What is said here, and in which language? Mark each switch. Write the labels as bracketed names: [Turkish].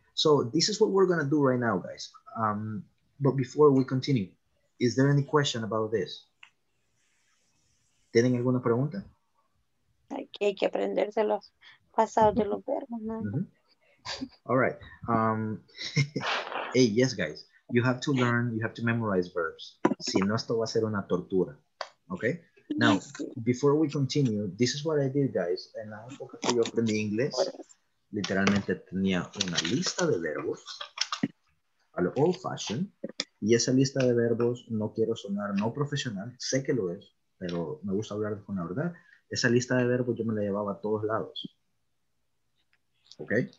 [English] So this is what we're going to do right now, guys. But before we continue, is there any question about this? [Spanish] ¿Tienen alguna pregunta? Aquí hay que aprenderse los pasados de los verbos, ¿no? Mm-hmm. [English] All right. hey, yes, guys. You have to learn, you have to memorize verbs. [Spanish] Si no, esto va a ser una tortura. [English] Okay? Now, before we continue, this is what I did, guys. [Spanish] En la época que yo aprendí inglés, literalmente tenía una lista de verbos, a lo old fashioned, y esa lista de verbos, no quiero sonar no profesional, sé que lo es, pero me gusta hablar con la verdad. Esa lista de verbos yo me la llevaba a todos lados. ¿Ok?